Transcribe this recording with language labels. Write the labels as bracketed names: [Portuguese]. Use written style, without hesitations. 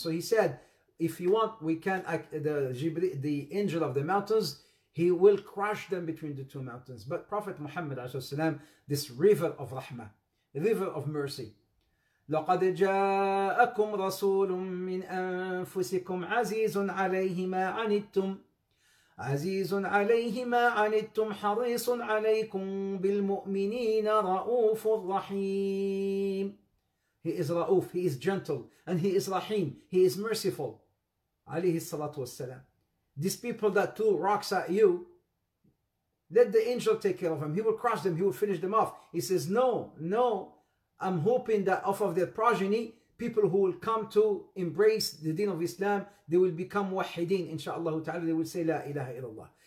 [English] So he said, if you want, the angel of the mountains, he will crush them between the two mountains. But Prophet Muhammad, this river of rahmah, river of mercy, [Arabic] لقد جاءكم رسول من أنفسكم عزيز عليه ما عنتم عزيز عليه ما عنتم حريص عليكم بالمؤمنين رؤوف الرحيم. [English] He is Ra'uf, he is gentle, and he is Rahim, he is merciful. [Arabic] عليه الصلاة والسلام. [English] These people that threw rocks at you, let the angel take care of them. He will crush them, he will finish them off. He says, no. I'm hoping that off of their progeny, people who will come to embrace the deen of Islam, they will become wahideen, inshallah ta'ala, they will say la ilaha illallah.